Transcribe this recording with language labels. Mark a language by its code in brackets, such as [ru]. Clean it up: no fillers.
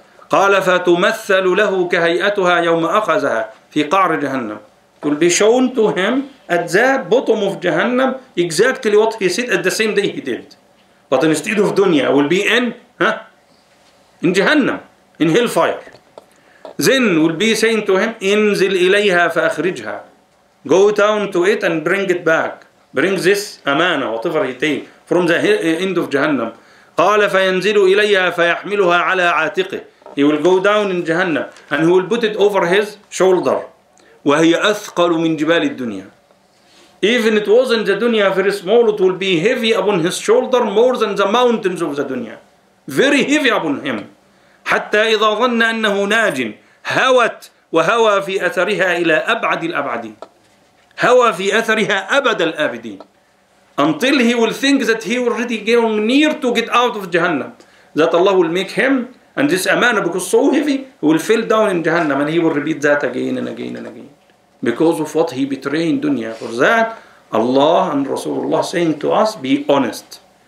[ar] قال فتمثل له كهيئتها يوم أخذها في قعر جهنم. [en] It will be shown to him at the bottom of Jahannam exactly what he said at the same day he did. But instead of dunya, it will be in Jahannam, in hellfire. Then will be saying to him, [ar] انزل إليها فأخرجها. [en] Go down to it and bring it back. Bring this amana, whatever he takes, from the end of Jahannam. [ar] قَالَ فَيَنْزِلُ إِلَيَّا فَيَحْمِلُهَا عَلَىٰ عَاتِقِهِ. [en] He will go down in Jahannam and he will put it over his shoulder. [ar] وَهِيَ أَثْقَلُ مِنْ جِبَالِ الدُّنْيَا. [en] Even it was in the dunya very small, it will be heavy upon his shoulder more than the mountains of the dunya. Very heavy upon him. [ar] حَتَّى إِذَا ظَنَّ أَنَّهُ نَاجٍ هَوَتْ وَهَوَى فِي أَثَرِهَا إِلَىٰ أَبْعَدِ الْأَبْعَدِينَ. هَوَى فِي أَثَرِهَا أَبَدَ الْأَبْدِينَ. [en] Until he will think that he already going near to get out of Jahannam, that Allah will make him, and this amana because so heavy, he will fall down in Jahannam, and he will repeat that again and again and again. Because of what he betrayed in dunya. For that, Allah and Rasulullah saying to us, be honest.